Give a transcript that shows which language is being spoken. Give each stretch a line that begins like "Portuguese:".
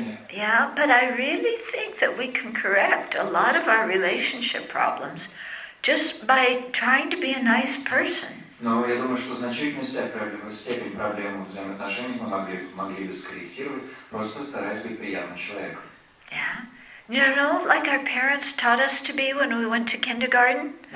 English: Yeah, but I really think that we can correct a lot of our relationship problems just by trying to be a nice person.
Russian: Но я думаю, что значительную степень проблем взаимоотношений мы могли бы скорректировать, просто стараясь быть приятным человеком.
English: Yeah. You know, like our parents taught us to be when we went to kindergarten?